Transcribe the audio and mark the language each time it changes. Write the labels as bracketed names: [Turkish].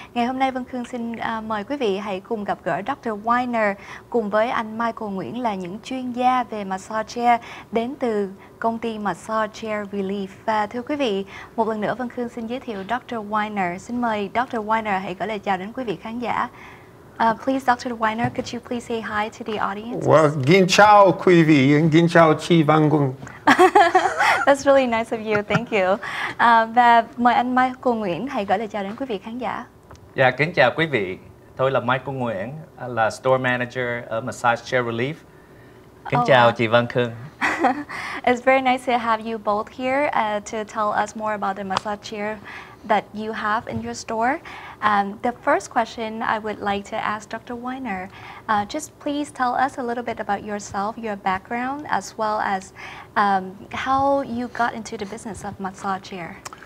[Vietnamese] Ngày hôm nay, Vân Khương xin mời quý vị hãy cùng gặp gỡ Dr. Weiner cùng với anh Michael Nguyễn là những chuyên gia về massage chair đến từ công ty Massage Chair Relief. Và thưa quý vị, một lần nữa Vân Khương xin giới thiệu Dr. Weiner. Xin mời Dr. Weiner hãy gửi lời chào đến quý vị khán giả. [English] Please, Dr. Weiner, could you please say hi to the audience? Well, [Vietnamese] gin chào quý vị, and gin chào chi vang cung. [English] That's really nice of you, thank you. [Vietnamese] Và mời anh Michael Nguyễn hãy gửi lời chào đến quý vị khán giả. Dạ, kính chào quý vị. Tôi là Michael Nguyễn, là store manager ở Massage Chair Relief. Kính chào chị Vân Khương. [English] It's very nice to have you both here to tell us more about the massage chair that you have in your store. The first question I would like to ask Dr. Weiner, just please tell us a little bit about yourself, your background, as well as how you got into the business of massage chair.